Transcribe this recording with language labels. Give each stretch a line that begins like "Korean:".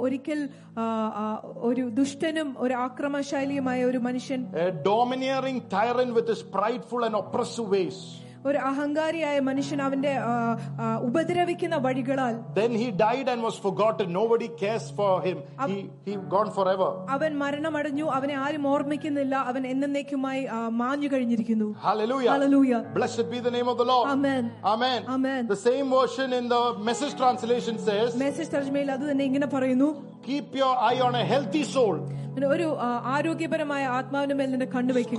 Malayalam: ഒരിക്കൽ ഒരു ദുഷ്ടനും ഒരു ആക്രമണശാലിയുമായ ഒരു മനുഷ്യൻ,
English: a domineering tyrant with his prideful and oppressive ways,
Malayalam: ഒരു അഹങ്കാരിയായ മനുഷ്യൻ അവന്റെ ഉപദ്രവിക്കുന്ന വഴികളാൽ,
English: then he died and was forgotten. Nobody cares for him. He gone forever.
Malayalam: അവൻ മരണമടഞ്ഞു. അവനെ ആരും ഓർമ്മിക്കുന്നില്ല. അവൻ എന്നെന്നേക്കുമായി മാഞ്ഞു കഴിഞ്ഞിരിക്കുന്നു.
English: Hallelujah. Hallelujah. Blessed be the name of the Lord. Amen. Amen. Amen. The same version in the Message translation says,
Malayalam: Message തർജ്ജമയിൽ അത് തന്നെ ഇങ്ങനെ പറയുന്നു,
English: keep your eye on a healthy soul.
Malayalam: ഒരു ആരോഗ്യപരമായ ആത്മാവിന്റെ മേൽ നിന്റെ കണ്ണ് വെക്കുക.